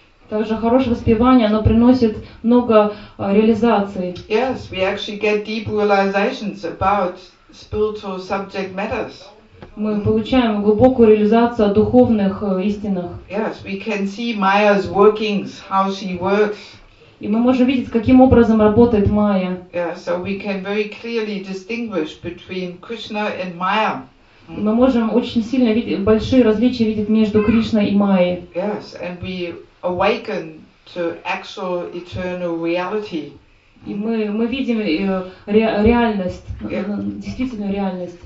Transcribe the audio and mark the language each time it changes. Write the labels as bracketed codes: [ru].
[ru] Также хорошее воспевание, оно приносит много реализаций. [en] Yes, we actually get deep realizations about spiritual subject matters. [ru] Мы получаем глубокую реализацию о духовных истинах. [en] Yes, we can see Maya's workings, how she works. [ru] И мы можем видеть, каким образом работает Майя. [en] Yeah, so we can very clearly distinguish between Krishna and Maya. [ru] Мы можем очень сильно видеть, большие различия видеть между Кришной и Майей. [en] Yes, and we awaken to actual eternal reality. [ru] И мы видим реальность, yeah. Действительную реальность.